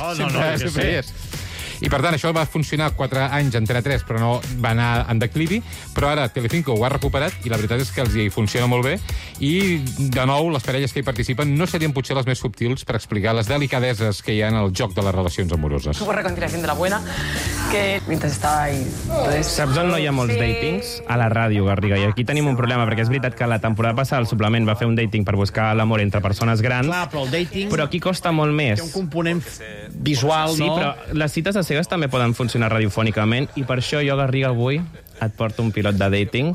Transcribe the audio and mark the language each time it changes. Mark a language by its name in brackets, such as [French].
[Catalan] No, sempre. I, per tant, això va funcionar 4 anys en Antena 3, però no va anar en declivi, però ara Telecinco ho ha recuperat i la veritat és que els hi funciona molt bé. I, de nou, les parelles que hi participen no serien potser les més subtils per explicar les delicadeses que hi ha en el joc de les relacions amoroses. [Spanish] Super reconciliación de la buena, que mientras estaba ahí... [Catalan] Saps on no hi ha molts datings? A la ràdio, Garriga. I aquí tenim un problema, perquè és veritat que la temporada passada el suplement va fer un dating per buscar l'amor entre persones grans. Clar, però el dating... Però aquí costa molt més. Té un component visual, sí, no? Sí, però les cites a cegues també poden funcionar radiofònicament i per això jo, Garriga, avui et porto un pilot de dating.